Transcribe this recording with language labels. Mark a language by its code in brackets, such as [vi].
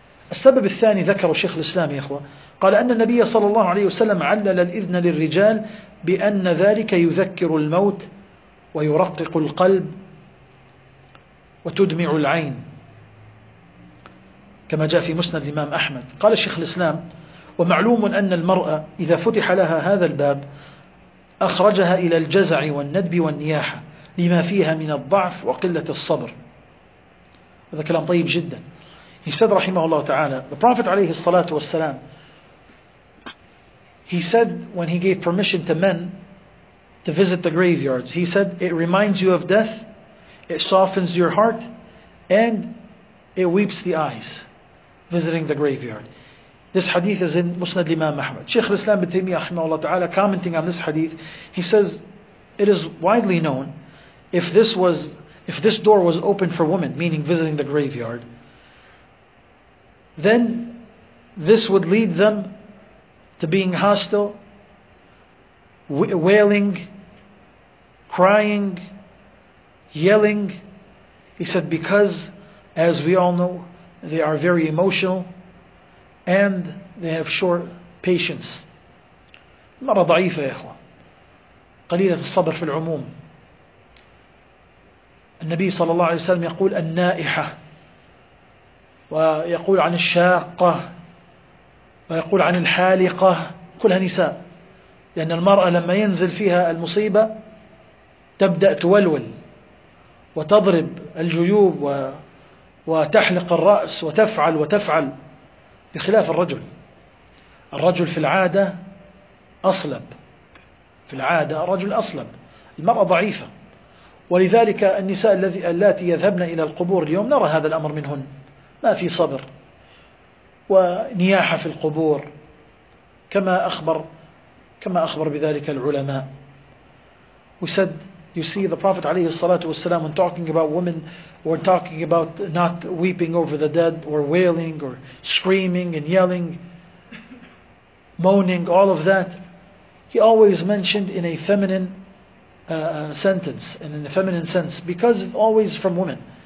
[ar] السبب الثاني ذكر الشيخ الإسلام يا إخوة, قال: أن النبي صلى الله عليه وسلم علل الإذن للرجال بأن ذلك يذكر الموت ويرقق القلب وتدمع العين, كما جاء في مسند الإمام أحمد. قال الشيخ الإسلام: ومعلوم أن المرأة إذا فتح لها هذا الباب أخرجها إلى الجزع والندب والنياحة لما فيها من الضعف وقلة الصبر. هذا كلام طيب جدا. [en] He said [ar] رحمه الله تعالى, [en] the Prophet [ar] عليه الصلاة والسلام, [en] he said when he gave permission to men to visit the graveyards, he said it reminds you of death, it softens your heart, and it weeps the eyes, visiting the graveyard. This hadith is in Musnad Imam Ahmad. Sheikh Islam ibn Taymiyyah [ar] rahimahu Allah ta'ala, [en] commenting on this hadith, he says it is widely known if this door was open for women, meaning visiting the graveyard, then this would lead them to being hostile, wailing, crying, yelling. He said because, as we all know, they are very emotional and they have short patience. [ar] مرة ضعيفة يا إخوة, قليلة الصبر في العموم. النبي صلى الله عليه وسلم يقول النائحة, ويقول عن الشاقة, ويقول عن الحالقة, كلها نساء, لأن المرأة لما ينزل فيها المصيبة تبدأ تولول وتضرب الجيوب وتحلق الرأس وتفعل بخلاف الرجل. الرجل في العادة أصلب, في العادة الرجل أصلب, المرأة ضعيفة. ولذلك النساء اللاتي يذهبن إلى القبور اليوم نرى هذا الأمر منهن, ما في صبر, ونياحة في القبور كما أخبر بذلك العلماء. [en] Who said, you see the Prophet [ar] عليه الصلاة والسلام [en] when talking about women, were talking about not weeping over the dead or wailing or screaming and yelling, moaning, all of that. He always mentioned in a feminine sentence and in a feminine sense because always from women.